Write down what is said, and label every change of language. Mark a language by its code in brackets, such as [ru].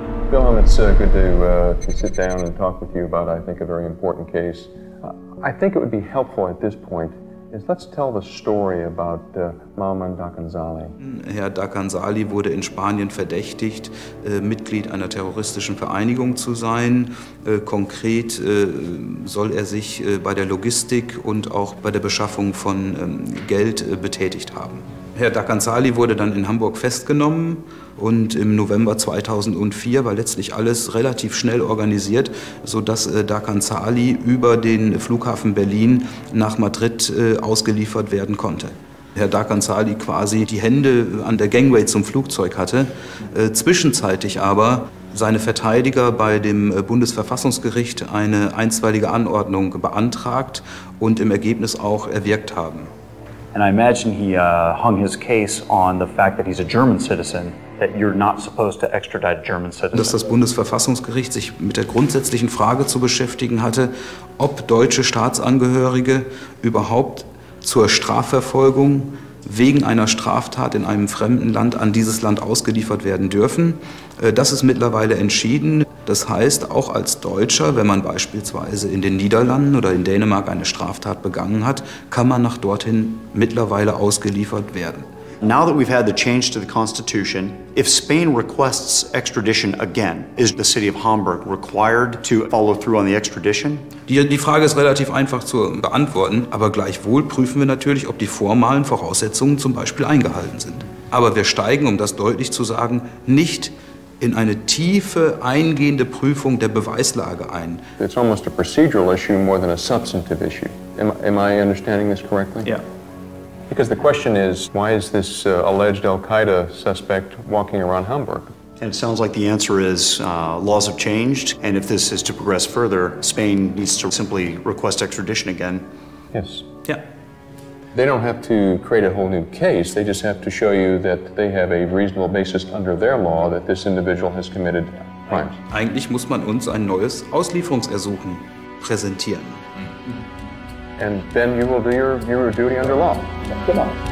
[en] Willem, it's good to sit down and talk with you about, I think, a very important case. I think it would be helpful at this point is, let's tell the story about Mamoun Darkazanli. [de] Herr Darkazanli wurde in Spanien verdächtigt, Mitglied einer terroristischen Vereinigung zu sein. Konkret soll er sich bei der Logistik und auch bei der Beschaffung von Geld betätigt haben. Herr Darkazanli wurde dann in Hamburg festgenommen und im November 2004 war letztlich alles relativ schnell organisiert, sodass Darkazanli über den Flughafen Berlin nach Madrid ausgeliefert werden konnte. Herr Darkazanli quasi die Hände an der Gangway zum Flugzeug hatte, zwischenzeitlich aber seine Verteidiger bei dem Bundesverfassungsgericht eine einstweilige Anordnung beantragt und im Ergebnis auch erwirkt haben. [en] And I imagine he hung his case on the fact that he's a German citizen, that you're not supposed to extradite German citizens. [de] Dass das Bundesverfassungsgericht sich mit der grundsätzlichen Frage zu beschäftigen hatte, ob deutsche Staatsangehörige überhaupt zur Strafverfolgung wegen einer Straftat in einem fremden Land an dieses Land ausgeliefert werden dürfen. Das ist mittlerweile entschieden. Das heißt, auch als Deutscher, wenn man beispielsweise in den Niederlanden oder in Dänemark eine Straftat begangen hat, kann man nach dorthin mittlerweile ausgeliefert werden. [en] Now that we've had the change to the Constitution, if Spain requests extradition again, is the city of Hamburg required to follow through on the extradition? [de] Die Frage ist relativ einfach zu beantworten, aber gleichwohl prüfen wir natürlich, ob die formalen Voraussetzungen zum Beispiel eingehalten sind. Aber wir steigen, um das deutlich zu sagen, nicht in eine tiefe, eingehende Prüfung der Beweislage ein. [en] It's almost a procedural issue more than a substantive issue. Am I understanding this correctly? Yeah. Because the question is, why is this alleged al-Qaida suspect walking around Hamburg? And it sounds like the answer is laws have changed, and if this is to progress further, Spain needs to simply request extradition again. Yes. Yeah. They don't have to create a whole new case, they just have to show you that they have a reasonable basis under their law that this individual has committed crimes. [de] Eigentlich muss man uns ein neues Auslieferungsersuchen präsentieren. [en] And then you will do your duty under law. Come on.